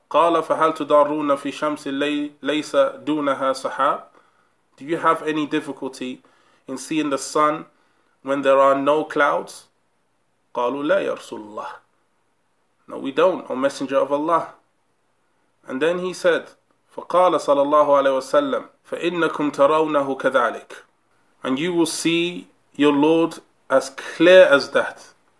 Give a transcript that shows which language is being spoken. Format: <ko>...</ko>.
<ar>قال فهل تدارون في شمس ليس دونها سحاب.</ar> <en>Do you have any difficulty in seeing the sun when there are no clouds?</en> <ar>قالوا لا يا رسول الله.</ar> <en>No, we don't, O Messenger of Allah. And then he said,</en> <ar>فقال صلى الله عليه وسلم فإنكم ترونه كذلك.</ar> <en>And you will see your Lord as clear as that.</en>